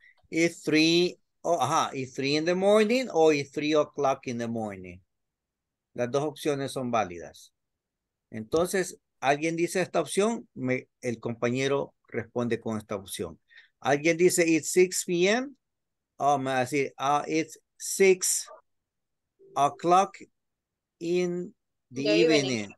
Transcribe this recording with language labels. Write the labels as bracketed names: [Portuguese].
[English] It's 3, it's 3 in the morning o it's 3 o'clock in the morning. [Spanish] Las dos opciones son válidas. Entonces, alguien dice esta opción, el compañero responde con esta opción. Alguien dice [English] it's 6 p.m., [Spanish] oh, me va a decir, [English] it's 6 o'clock in the evening.